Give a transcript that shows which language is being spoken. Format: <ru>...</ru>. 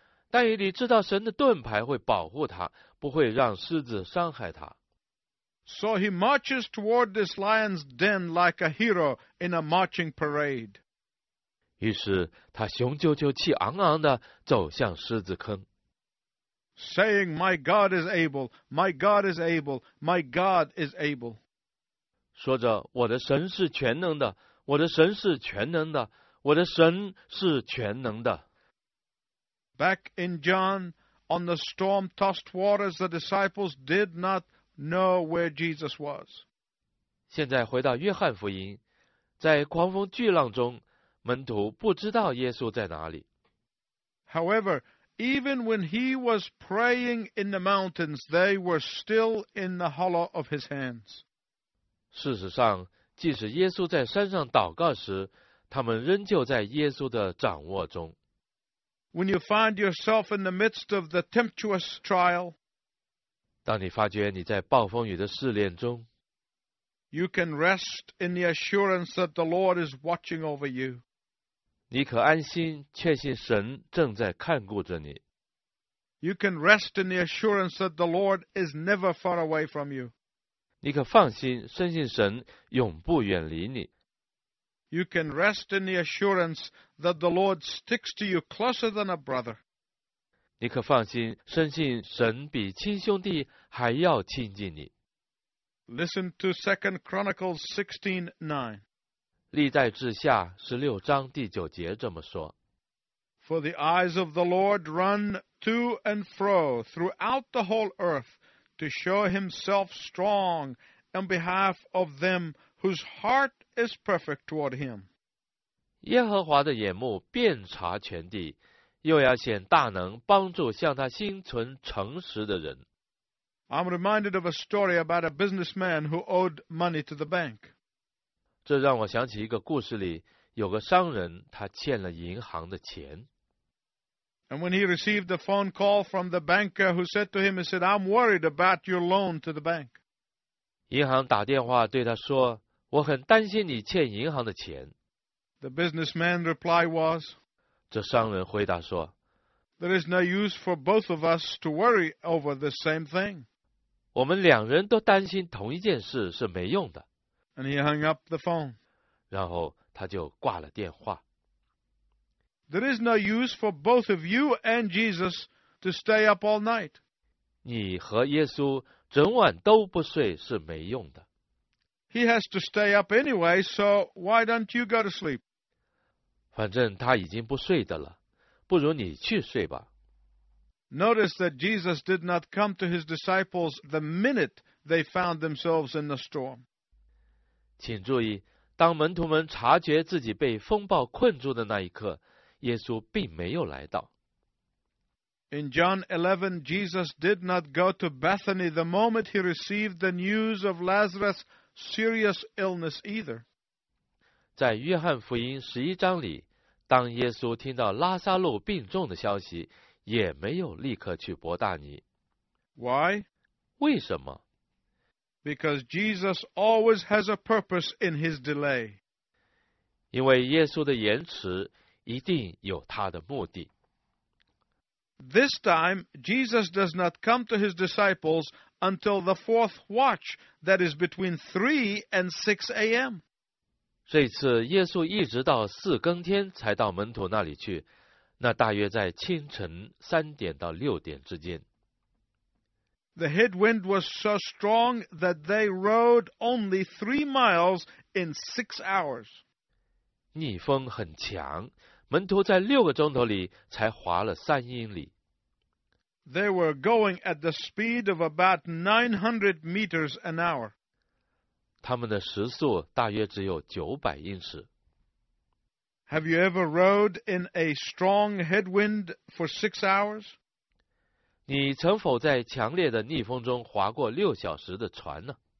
<zh>但以理知道神的盾牌会保护他，不会让狮子伤害他。</zh> <en>So he marches toward this lion's den like a hero in a marching parade.</en> <zh>于是他雄赳赳气昂昂地走向狮子坑。</zh> <en>Saying, my God is able, my God is able, my God is able.</en> <zh>说着，我的神是全能的，我的神是全能的，我的神是全能的。</zh> <en>Back in John, on the storm-tossed waters, the disciples did not know where Jesus was.</en> <zh>现在回到约翰福音，在狂风巨浪中，门徒不知道耶稣在哪里。</zh> <en>However, even when he was praying in the mountains, they were still in the hollow of his hands.</en> <zh>事实上，即使耶稣在山上祷告时，他们仍旧在耶稣的掌握中。</zh> <en>When you find yourself in the midst of the tempestuous trial,</en> <zh>当你发觉你在暴风雨的试炼中，</zh> <en>you can rest in the assurance that the Lord is watching over you.</en> <zh>你可安心确信神正在看顾着你。</zh> <en>You can rest in the assurance that the Lord is never far away from you.</en> <zh>你可放心深信神永不远离你。</zh> <en>You can rest in the assurance that the Lord sticks to you closer than a brother.</en> <zh>你可放心深信神比亲兄弟还要亲近你。</zh> <en>Listen to 2 Chronicles 16:9.</en> <zh>历代志下16章第9节这么说。</zh> <en>For the eyes of the Lord run to and fro throughout the whole earth to show himself strong on behalf of them whose heart is perfect toward him.</en> <zh>耶和华的眼目遍察全地，又要显大能帮助向他心存诚实的人。</zh> <en>I'm reminded of a story about a businessman who owed money to the bank.</en> <zh>这让我想起一个故事里，有个商人，他欠了银行的钱。</zh> <en>And when he received a phone call from the banker who said to him, he said, I'm worried about your loan to the bank.</en> <zh>银行打电话对他说，我很担心你欠银行的钱。</zh> <en>The businessman reply was,</en> <zh>这商人回答说，</zh> <en>There is no use for both of us to worry over the same thing.</en> <zh>我们两人都担心同一件事是没用的。</zh> <en>And he hung up the phone.</en> <zh>然后他就挂了电话。</zh> <en>There is no use for both of you and Jesus to stay up all night.</en> <zh>你和耶稣整晚都不睡是没用的。</zh> <en>He has to stay up anyway, so why don't you go to sleep?</en> <zh>反正他已经不睡的了，不如你去睡吧。</zh> <en>Notice that Jesus did not come to his disciples the minute they found themselves in the storm.</en> <zh>请注意，当门徒们察觉自己被风暴困住的那一刻，耶稣并没有来到。</zh> <en>In John 11, Jesus did not go to Bethany the moment he received the news of Lazarus' serious illness either.</en> <zh>在约翰福音十一章里，当耶稣听到拉撒路病重的消息，也没有立刻去伯大尼。</zh> <en>Why?</en> <zh>为什么？</zh> <en>Because Jesus always has a purpose in his delay.</en> <zh>因为耶稣的延迟一定有他的目的。</zh> <en>This time, Jesus does not come to his disciples until the fourth watch, that is between 3 and 6 a.m.</en> <zh>这次耶稣一直到四更天才到门徒那里去，那大约在清晨三点到六点之间。</zh> <en>The headwind was so strong that they rode only 3 miles in 6 hours.</en> <zh>逆风很强，门徒在六个钟头里才划了三英里。</zh> <en>They were going at the speed of about 900 meters an hour.</en> <zh>他们的时速大约只有900英尺。</zh> <en>Have you ever rode in a strong headwind for 6 hours?</en> <zh>你曾否在强烈的逆风中划过六小时的船呢？</zh>